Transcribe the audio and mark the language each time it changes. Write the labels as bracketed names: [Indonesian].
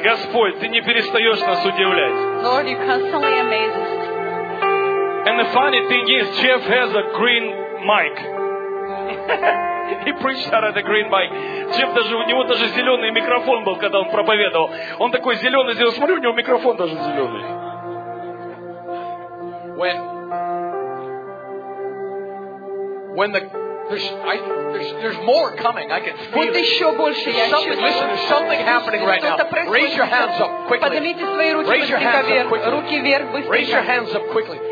[Russian] Господь, ты не перестаешь нас удивлять. [English] Lord, you constantly amaze us. And the funny thing is, Jeff has a green mic. He preached out of the green mic. [Russian] Jeff, даже, у него даже зеленый микрофон был, когда он проповедовал. Он такой зеленый, я смотрю, у него микрофон даже зеленый. [English] When the there's more coming, I can feel it. Something happening right now. Raise your hands up quickly. Raise your hands up quickly.